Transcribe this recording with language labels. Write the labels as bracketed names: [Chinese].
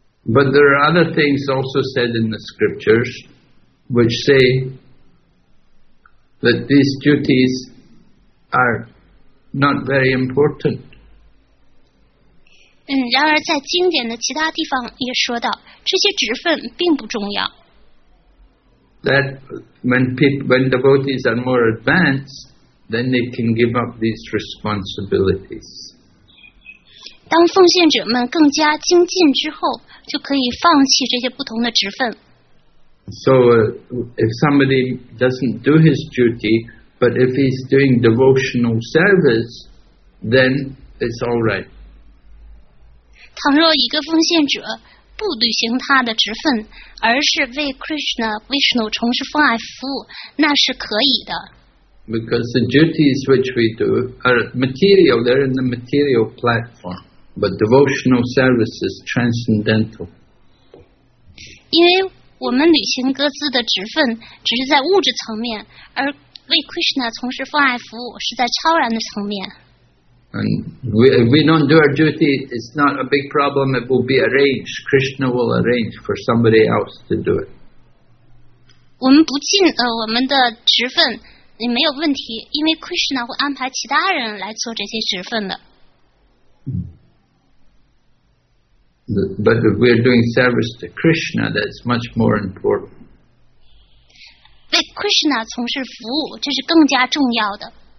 [English] But there are other things also said in the scriptures which say that these duties are not very important. [Chinese] 然而在经典的其他地方也说到，这些职分并不重要。 [English] That when devotees are more advanced, then they can give up these responsibilities. [Chinese] 当奉献者们更加精进之后，就可以放弃这些不同的职分。 [English] So if somebody doesn't do his duty, but if he's doing devotional service, then it's all right. [Chinese] 倘若一个奉献者不履行他的职分，而是为 Krishna Vishnu 从事奉爱服务，那是可以的。 [English] Because the duties which we do are material, they're in the material platform, but devotional service is transcendental. [Chinese] 因为我们履行各自的职分只是在物质层面，而为 Krishna 从事奉爱服务是在超然的层面。 [English] And if we don't do our duty, it's not a big problem. It will be arranged. Krishna will arrange for somebody else to do it. [Chinese] 我们不尽我们的职分也没有问题，因为 Krishna 会安排其他人来做这些职分的。 [English] But if we're doing service to Krishna, that's much more important. [Chinese] 为 Krishna 从事服务，这是更加重要的。